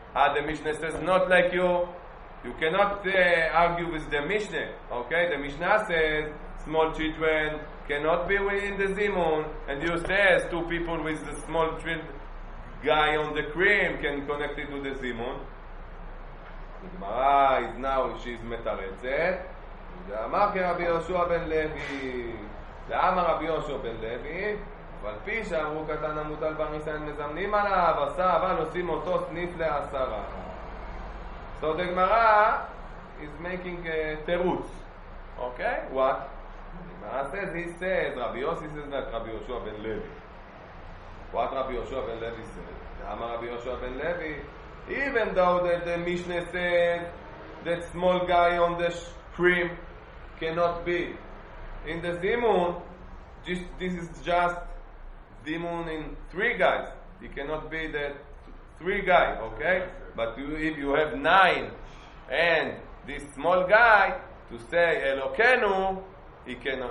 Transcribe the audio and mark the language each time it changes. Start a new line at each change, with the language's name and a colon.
English: Had the Mishnah says, not like you. You cannot argue with the Mishnah, okay? The Mishnah says, small children cannot be within the Zimun, and you say, two people with the small child guy on the cream can connect it to the Zimun. The Gemara is now, she's metaretzet.
Hebrew: ואמר כרבי יהושע בן לוי, ואמר רבי יהושע בן לוי, אבל פי שאמרו קטן המוטל בריסן מזמנים עליו, עשה אבל עושים אותו סניף לעשרה.
English: So the Gemara is making a תירוץ. Okay? What? Gemara says, he says, רבי יוסי says that רבי יהושע בן לוי. What רבי יהושע בן לוי says? ואמר רבי יהושע בן לוי, even though the Mishnah said that small guy on the cream cannot be in the Zimun, this is just Zimun in three guys. He cannot be the three guy, okay? But you, if you have nine and this small guy to say Elokenu, he can.